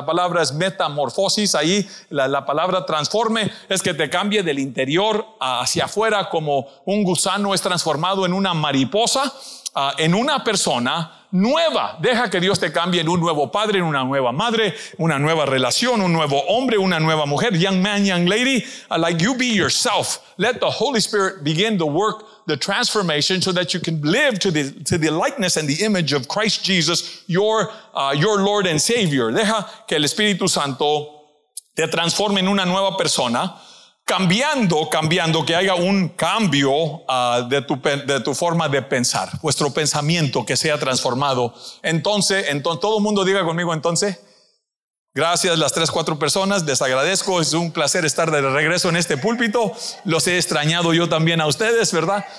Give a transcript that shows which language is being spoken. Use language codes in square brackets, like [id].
[es] La palabra es metamorfosis. Ahí la palabra transforme es que te cambie del interior hacia afuera, como un gusano es transformado en una mariposa, en una persona nueva. Deja que Dios te cambie en un nuevo padre, en una nueva madre, una nueva relación, un nuevo hombre, una nueva mujer. [en] Young man, young lady, like you be yourself. Let the Holy Spirit begin to work the transformation so that you can live to the likeness and the image of Christ Jesus, your Lord and Savior. [es] Deja que el Espíritu Santo te transforme en una nueva persona, cambiando, que haya un cambio de tu forma de pensar, vuestro pensamiento que sea transformado. Entonces, todo el mundo diga conmigo, entonces, gracias las 3-4 personas, les agradezco, es un placer estar de regreso en este púlpito, los he extrañado yo también a ustedes, ¿verdad?